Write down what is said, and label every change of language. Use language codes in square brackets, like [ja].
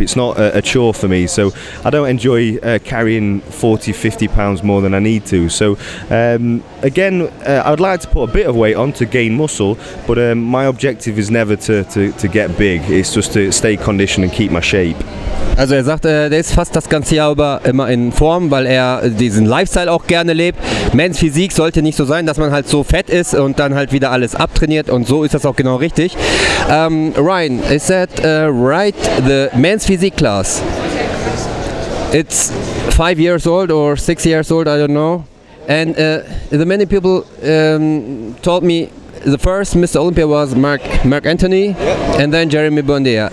[en] It's not a chore for me, so I don't enjoy carrying 40-50 pounds more than I need to. So again, I'd like to put a bit of weight on to gain muscle, but my objective is never to get big. It's just to stay conditioned and keep my shape. [de] Also er sagt, der ist fast das ganze Jahr über immer in Form, weil er diesen Lifestyle auch auch gerne lebe. Men's Physik sollte nicht so sein, dass man halt so fett ist und dann halt wieder alles abtrainiert, und so ist das auch genau richtig. [en] Ryan, is that right, the Men's Physik class? It's 5 years old or 6 years old, I don't know. And the many people told me the first Mr. Olympia was Mark Anthony, and then Jeremy Bondia.